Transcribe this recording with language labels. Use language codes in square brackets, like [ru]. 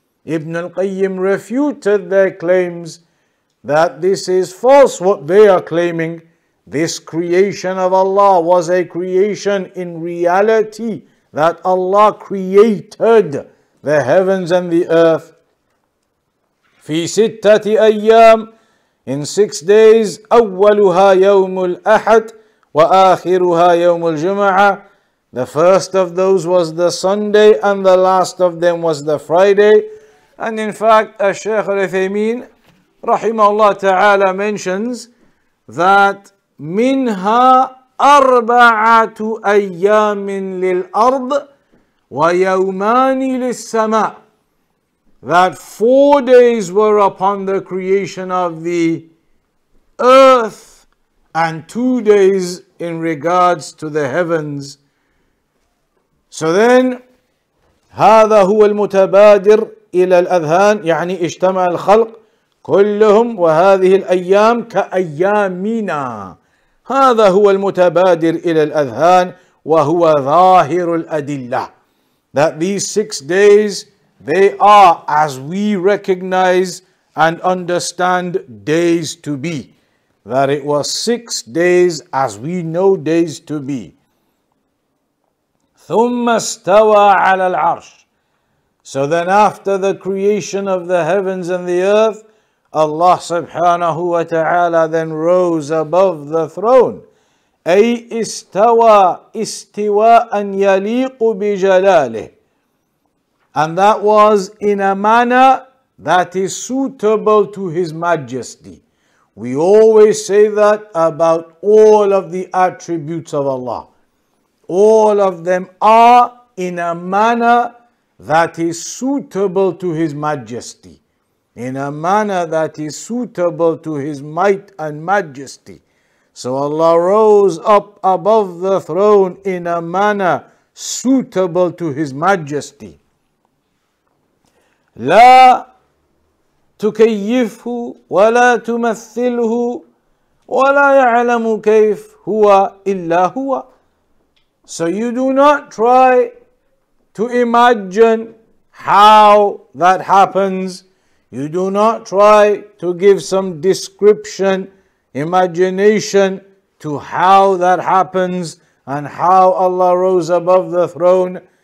[en] Ibn al-Qayyim refuted their claims that this is false, what they are claiming. This creation of Allah was a creation in reality, that Allah created the heavens and the earth. [ar] في ستة أيام, [en] in 6 days, [ar] أولها يوم الأحد وآخرها يوم الجمعة. [en] The first of those was the Sunday and the last of them was the Friday. And in fact, [ar] الشيخ الأثيمين رحمه الله تعالى [en] mentions that [ar] منها أربعة أيام للأرض ويومان للسماء. [en] That 4 days were upon the creation of the earth and 2 days in regards to the heavens. [ar] So then هذا هو المتبادر إلى الأذهان يعني اجتمع الخلق كلهم وهذه الأيام كأيامنا. هذا هو المتبادر إلى الأذهان وهو ظاهر الأدلة. [en] that these 6 days, they are, as we recognize and understand days to be, that it was 6 days as we know days to be. [ar] ثُمَّ اسْتَوَى عَلَى الْعَرْشِ. [en] So then after the creation of the heavens and the earth, Allah subhanahu wa ta'ala then rose above the throne. [ar] أي استوى استواء يليق بجلاله. [en] And that was in a manner that is suitable to His Majesty. We always say that about all of the attributes of Allah. All of them are in a manner that is suitable to His Majesty. In a manner that is suitable to His might and majesty. So Allah rose up above the throne in a manner suitable to His Majesty. [ar] لا تكيفه ولا تمثله ولا يعلم كيف هو إلا هو. [en] So you do not try to imagine how that happens. You do not try to give some description, imagination to how that happens and how Allah rose above the throne.